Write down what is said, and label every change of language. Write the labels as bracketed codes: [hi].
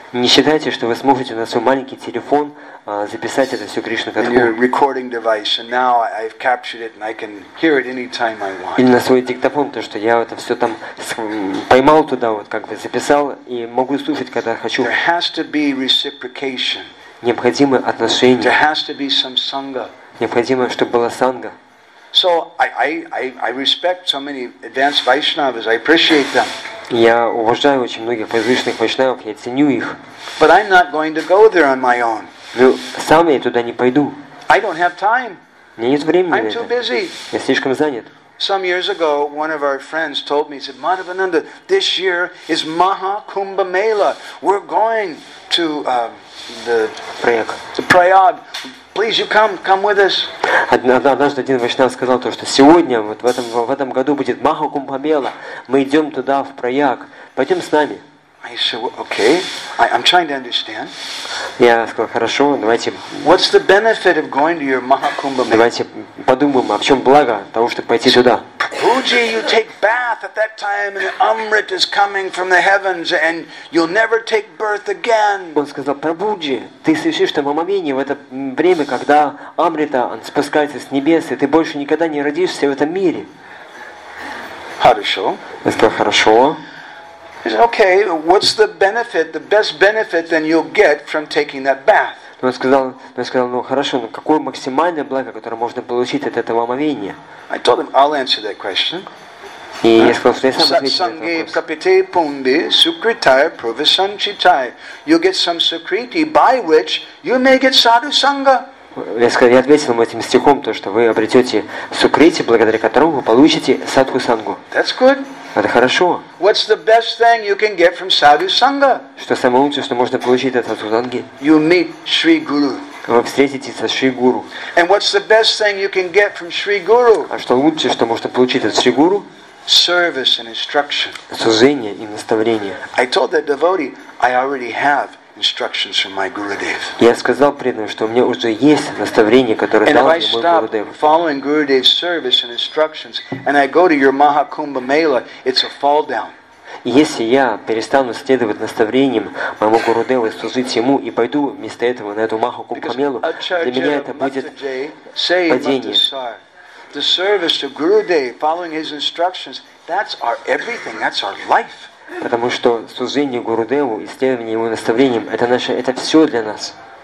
[ru] Не считайте, что вы сможете на свой маленький телефон записать это все Кришна Катху. [en] And your recording device, and now I've captured it, and I can hear it anytime I want. [ru] Или на свой диктофон, то что я это все там поймал туда вот как бы записал и могу слушать когда хочу. [en] There has to be reciprocation. [ru] Необходимы отношения. [en] There has to be some sangha. [ru] Необходимо, чтобы была санга. [en] So I respect so many advanced Vaishnavas. I appreciate them. [ru] Я уважаю очень многих возвышенных вайшнавов, я ценю их. [en] But I'm not going to go there on my own. [ru] Но сам я туда не пойду. [en] I don't have time. [ru] У меня нет времени. [en] I'm too busy. [ru] Я слишком занят. [en] Some years ago, one of our friends told me, he said, Madhavananda, this year is Maha Kumbh Mela. We're going to the Prayag. Please, you come with us. [ru] Однажды один вайшнав сказал то, что сегодня вот в этом году будет Маха Кумбха Мела. Мы идем туда в Прояг. Пойдем с нами. [en] I said, well, okay. I'm trying to understand. [ru] Я сказал, хорошо, давайте. [en] What's the benefit of going to your Maha Kumbha Mela? [ru] Давайте подумаем, о чем благо того, чтобы пойти туда. [en] Puji, you take bath at that time, and Amrit is coming from the heavens, and you'll never take birth again. [ru] Он сказал, Прабуджи, ты совершишь там омовение в это время, когда Амрита спускается с небес, и ты больше никогда не родишься в этом мире. Хорошо. Я сказал, хорошо. [en] He said, okay, what's the benefit, the best benefit then you'll get from taking that bath? [ru] Он сказал, ну хорошо, но какое максимальное благо, которое можно получить от этого омовения? [en] I told him, I'll answer that question. [ru] И я сказал, что я сам отвечу на этот вопрос. [sa] Капите пунди сукритая провисанчитая. [en] You get some sukriti by which you may get sadhu sangha. [ru] Я сказал, я ответил ему этим стихом, то, что вы обретете сукрити, благодаря которому вы получите садху сангу. [en] That's good. [ru] Это хорошо. [en] What's the best thing you can get from sadhu sangha? [ru] Что самое лучшее, что можно получить от садху санги? [en] You meet Sri Guru. [ru] Вы встретитесь со Шри Гуру. [en] And what's the best thing you can get from Sri Guru? [ru] А что лучшее, что можно получить от Шри Гуру? [en] Service and instruction. [ru] Служение и наставление. [en] I told that devotee, I already have instructions from my Gurudev. [ru] Я сказал преданному, что у меня уже есть наставление, которое дал мне мой Гурудев. [en] And if I stop following Gurudev's service and instructions, and I go to your Mahakumbha Mela, it's a fall down. [ru] Если я перестану следовать наставлениям моему Гурудеву и служить ему, и пойду вместо этого на эту Mahakumbha Mela, для меня это будет падение. [en] The service of Gurudev, following his instructions, that's our everything, that's our life. [ru] Потому что служение Гурудеву и следование его наставлениям это наше, это все для нас.